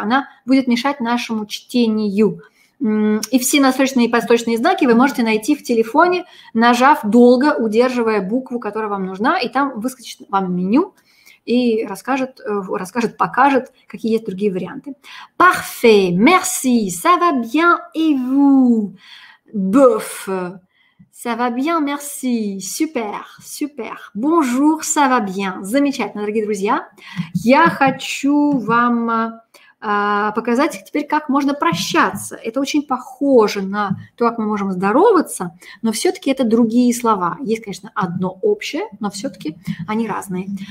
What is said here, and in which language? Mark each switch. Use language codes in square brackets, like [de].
[ru] Она будет мешать нашему чтению. И все надстрочные и подстрочные знаки вы можете найти в телефоне, нажав долго, удерживая букву, которая вам нужна, и там выскочит вам меню и расскажет, покажет, какие есть другие варианты. [fr] Parfait, merci, ça va bien, et vous? Bof, ça va bien, merci, super, super. Bonjour, ça va bien. [ru] Замечательно, дорогие друзья. Я хочу вам показать теперь, как можно прощаться. Это очень похоже на то, как мы можем здороваться, но все-таки это другие слова. Есть, конечно, одно общее, но все-таки они разные.